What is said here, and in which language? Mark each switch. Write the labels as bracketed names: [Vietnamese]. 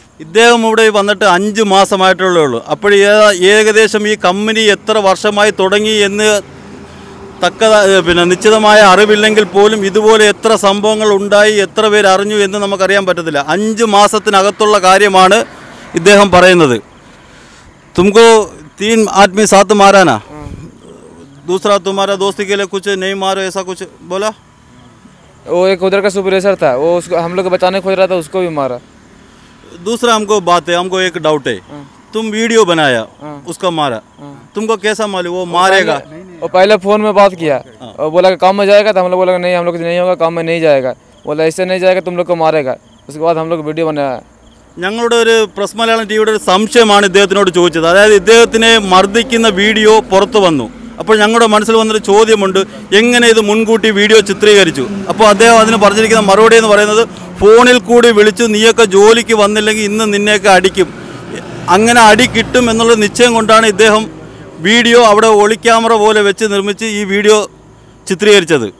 [Malayalam] ഇദ്ദേഹം ഇവിടെ വന്നിട്ട് 5 മാസമായിട്ടുള്ളേ ഉള്ളൂ അപ്പോഴേ ഏകദേശം ഈ കമ്പനി എത്ര വർഷമായി തുടങ്ങി എന്ന് തക്ക പിന്നെ നിശ്ചിതമായ അറിവില്ലെങ്കിൽ പോലും ഇതുപോലെ എത്ര സംഭവങ്ങൾ ഉണ്ടായി എത്ര പേർ അറിഞ്ഞു എന്ന് നമുക്കറിയാൻ പറ്റത്തില്ല 5 മാസത്തിനകത്തുള്ള കാര്യമാണ് ഇദ്ദേഹം പറയുന്നത് [Hindi] തുംകോ तीन आदमी साथ मारा ना दूसरा तुम्हारा दोस्ती के लिए कुछ नहीं मारो ऐसा कुछ बोला वो एक उधर का सुपरवाइजर था वो उसको हम लोग को बचाने खोज रहा था उसको भी मारा दूसरा हमको बात है, हमको एक डाउट है, तुम वीडियो बनाया उसका मारा, तुमको कैसा मालूम वो मारेगा? और पहले फोन में बात किया और बोला काम में जाएगा, तो हम लोग बोला नहीं, हम लोग नहीं होगा काम में, नहीं जाएगा, बोला ऐसे नहीं जाएगा, तुम लोग को मारेगा, उसके बाद हम लोग वीडियो बनाया। [Malayalam] ഞങ്ങളുടെ ഒരു പ്രസ് മലയാളം ടിവിയുടെ ഒരു സംശയമാണ് ഇദ്ദേഹത്തിനോട് ചോദിച്ചത്. അതായത് ഇദ്ദേഹത്തിനെ മർദ്ദിക്കുന്ന വീഡിയോ പുറത്തു വന്നു, അപ്പോൾ ഞങ്ങളുടെ മനസ്സിൽ വന്നൊരു ചോദ്യമുണ്ട്, എങ്ങനെ ഇത് മുൻകൂട്ടി വീഡിയോ ചിത്രീകരിച്ചു? അപ്പോൾ അദ്ദേഹം അതിന് പറഞ്ഞിരിക്കുന്ന മറുപടി എന്ന് പറയുന്നത്, ഫോണിൽ കൂടി വിളിച്ചു നീയൊക്കെ ജോലിക്ക് വന്നില്ലെങ്കിൽ ഇന്ന് നിന്നെയൊക്കെ അടിക്കും, അങ്ങനെ അടി കിട്ടും എന്നുള്ള നിശ്ചയം കൊണ്ടാണ് ഇദ്ദേഹം വീഡിയോ അവിടെ ഒളിക്യാമറ പോലെ വെച്ച് നിർമ്മിച്ച് ഈ വീഡിയോ ചിത്രീകരിച്ചത്.